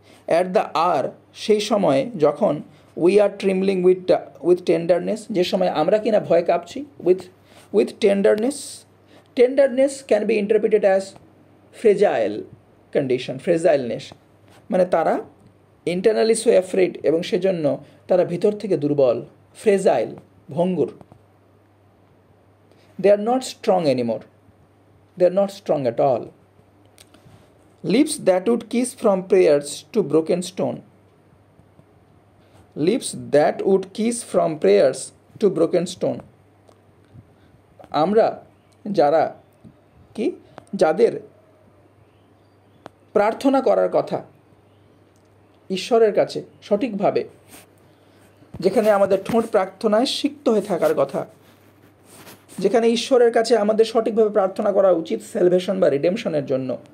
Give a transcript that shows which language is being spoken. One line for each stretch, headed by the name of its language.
English: at the আর,
Bangla: সেই সময়ে যখন
English: we are trembling with tenderness,
Bangla: যে সময় আমরা কিনা ভয় কাঁপছি,
English: with tenderness, tenderness can be interpreted as fragile condition, fragileness,
Bangla: মানে তারা
English: internally so afraid
Bangla: এবং সেজন্য তারা ভিতর থেকে দুর্বল,
English: fragile,
Bangla: ভঙ্গুর,
English: They are not strong anymore, they are not strong at all. Lips that would kiss from prayers to broken stone. Lips that would kiss from prayers to broken stone.
Bangla: আমরা যারা কি যাদের প্রার্থনা করার কথা ঈশ্বরের কাছে সঠিকভাবে, যেখানে আমাদের ঠোঁট প্রার্থনায় সিক্ত হয়ে থাকার কথা, যেখানে ঈশ্বরের কাছে আমাদের সঠিকভাবে প্রার্থনা করা উচিত সেলভেশন বা রিডেমশনের জন্য,